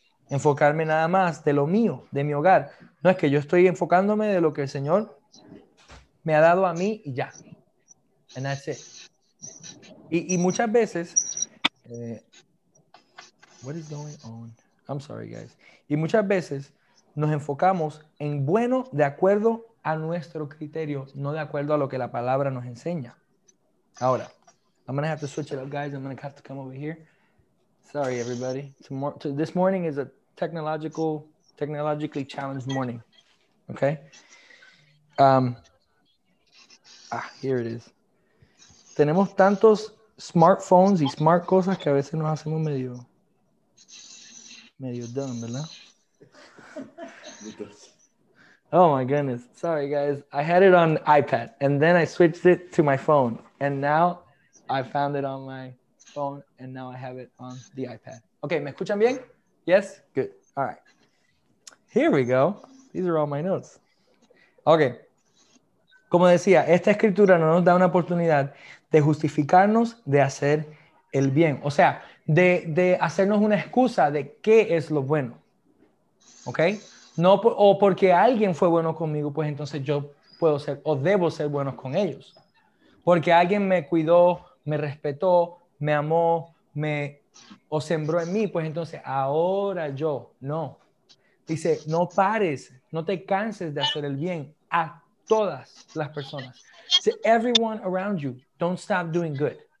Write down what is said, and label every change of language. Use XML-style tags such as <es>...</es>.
<es>Enfocarme nada más de lo mío, de mi hogar. No es que yo estoy enfocándome de lo que el Señor me ha dado a mí y ya.</es> <en>And that's it.</en> <es>Y muchas veces,</es> <en>what is going on? I'm sorry, guys.</en> <es>Y muchas veces nos enfocamos en bueno de acuerdo a nuestro criterio, no de acuerdo a lo que la palabra nos enseña. Ahora,</es> <en>I'm going to have to switch it up, guys. I'm going to have to come over here. Sorry, everybody. This morning is a technologically challenged morning. Okay? Here it is.</en> <es>Tenemos tantos smartphones y smart cosas que a veces nos hacemos medio dumb, ¿verdad?</es> <en>Oh my goodness. Sorry, guys. I had it on iPad and then I switched it to my phone. And now I found it on my phone and now I have it on the iPad. Okay,</en> <es>¿me escuchan bien?</es> <en>Yes? Good. All right. Here we go. These are all my notes. Okay.</en> <es>Como decía, esta escritura no nos da una oportunidad de justificarnos de hacer el bien. O sea, de hacernos una excusa de qué es lo bueno, ¿ok? No o porque alguien fue bueno conmigo, pues entonces yo puedo ser o debo ser bueno con ellos. Porque alguien me cuidó, me respetó, me amó, me o sembró en mí, pues entonces ahora yo, no. Dice, no pares, no te canses de hacer el bien a todas las personas.</es> <en>To everyone around you, don't stop doing good.</en>